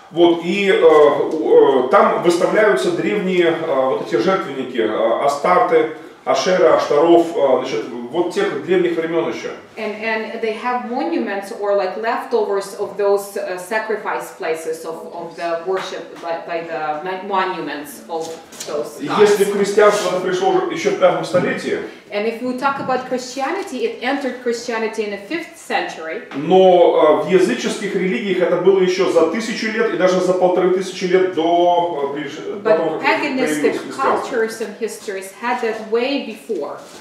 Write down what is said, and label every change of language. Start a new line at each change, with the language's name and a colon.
Russian: Вот, и там выставляются древние вот эти жертвенники, Астарты, Ашера, Аштаров, значит, вот тех древних времен еще.
English: And they have monuments or like leftovers of those sacrifice places of the worship by the monuments of those gods.
Russian: Если христианство пришло еще в 5 столетии.
English: And if we talk about Christianity, it entered Christianity in the 5th century.
Russian: Но в языческих религиях это было еще за 1000 лет и даже за 1500 лет до
English: paganistic cultures and histories had that way before.